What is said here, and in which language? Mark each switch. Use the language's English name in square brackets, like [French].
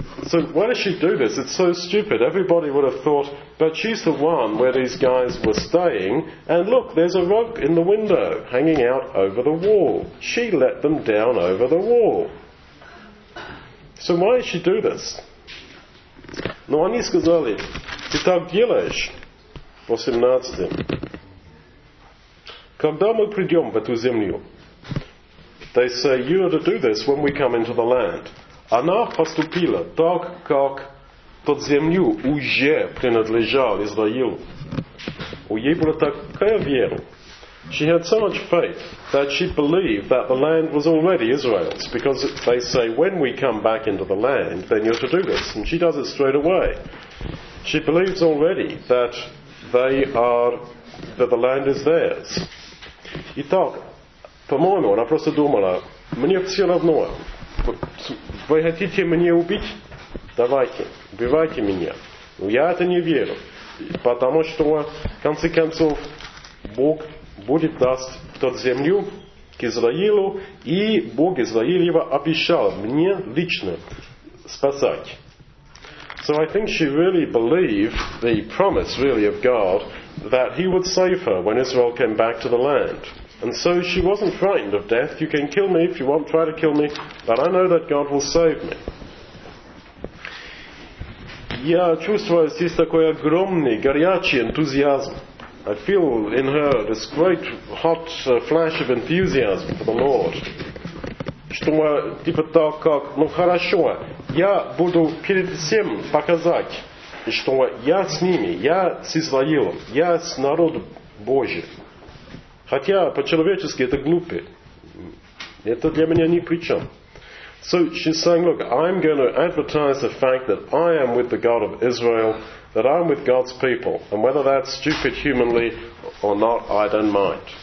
[English] So why does she do this? It's so stupid. Everybody would have thought, but she's the one where these guys were staying, and look, there's a rope in the window hanging out over the wall. She let them down over the wall. So why does she do this? [Russian] Но они сказали, ты так делаешь, по 17. Когда мы придем в эту землю? [English] They say, you are to do this when we come into the land. [Russian] Она поступила так, как тот землю уже принадлежал Израилу. У ей была такая вера. [English] She had so much faith that she believed that the land was already Israel's, because they say, when we come back into the land, then you're to do this. And she does it straight away. She believes already that they are, that the land is theirs. [Russian] Итак, по-моему, она просто думала, мне все равно. Вы хотите меня убить? Давайте, убивайте меня. Но я это не верю, потому что, в конце концов, Бог будет даст тот землю к Израилю, и Бог Израилева обещал мне лично спасать. [English] So I think she really believed the promise really of God that he would save her when Israel came back to the land. And so she wasn't frightened of death. You can kill me if you want, try to kill me, but I know that God will save me. [Russian] Я чувствую здесь такой огромный, горячий энтузиазм. [English] I feel in her this great hot flash of enthusiasm for the Lord. [Russian] Что мы, типа так как, ну хорошо, я буду перед всем показать, что я с ними, я с Израилем, я с народом Божьим. Хотя по-человечески это глупо. Это для меня ни при чем. [English] So she's saying, look, I'm going to advertise the fact that I am with the God of Israel, that I'm with God's people. And whether that's stupid humanly or not, I don't mind.